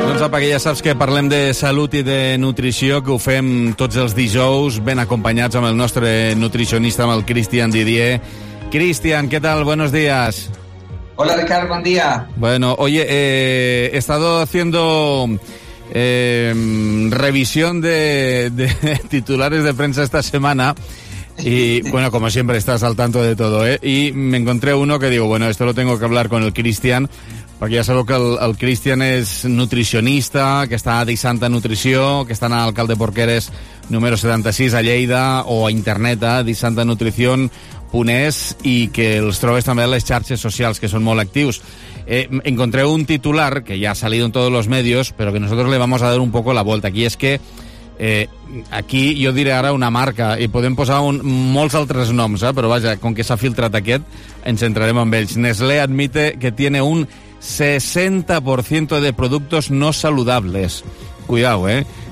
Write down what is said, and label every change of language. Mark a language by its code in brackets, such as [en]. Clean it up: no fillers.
[ca] Perquè ja saps que parlem de salut i de nutrició, que ho fem tots els dijous ben acompanyats amb el nostre nutricionista, amb el Cristian Didier. [es] Cristian, [ca] què tal? [es] Buenos días. [ca] Hola, Ricard, bon dia. [es] Bueno, oye, he estado haciendo revisión de titulares de prensa esta semana y, bueno, como siempre, estás al tanto de todo, ¿eh? Y me encontré uno que digo, bueno, esto lo tengo que hablar con el Cristian. [ca] Perquè ja sabeu que el Cristian és nutricionista, que està a Disanta Nutrició, que està a Alcalde Porqueres número 76 a Lleida, o a internet a disantanutricion.es, i que els trobes també a les xarxes socials, que són molt actius. [es] Encontré un titular que ja ha salido en todos los medios, pero que nosotros le vamos a dar un poco la vuelta. [ca] Aquí es que, aquí jo diré ara una marca, i podem posar molts altres noms, però vaja, com que s'ha filtrat aquest, ens centrarem en ells. [es] Nestlé admite que tiene un 60% de productos no saludables. Cuidado, ¿eh?